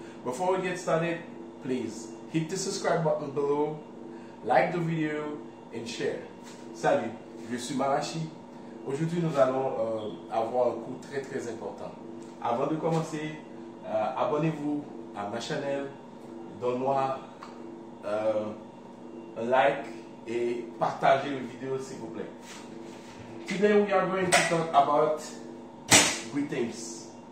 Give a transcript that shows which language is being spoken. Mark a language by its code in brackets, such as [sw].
[en] Before we get started, please hit the subscribe button below, like the video and share. [fr] Salut, je suis Malachi. Aujourd'hui nous allons avoir un cours très très important. Avant de commencer, abonnez-vous à ma chaîne, donne-moi un like et partagez la vidéo s'il vous plaît. [en] Today we are going to talk about greetings.